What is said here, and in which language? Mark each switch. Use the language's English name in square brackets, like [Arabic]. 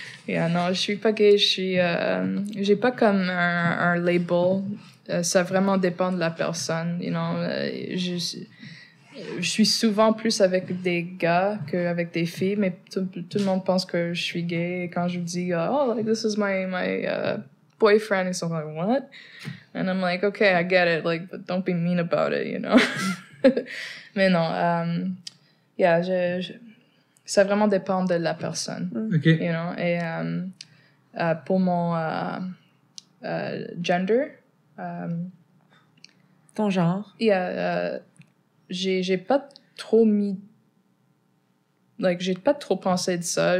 [English] Yeah, [French] non, je suis pas gay, je suis... j'ai pas comme un label. Ça vraiment dépend de la personne, [English] you know. [French] Je suis souvent plus avec des gars qu'avec des filles, mais tout le monde pense que je suis gay. Et quand je dis, oh, like, [English] this is my boyfriend, [French] ils sont like, [English] what? And I'm like, okay, I get it, like, but don't be mean about it, you know. [French] Mais non, ça vraiment dépend de la personne, [English] okay. You know. [French] Et pour mon [English] gender, [French] ton genre, j'ai pas trop mis, like, j'ai pas trop pensé de ça.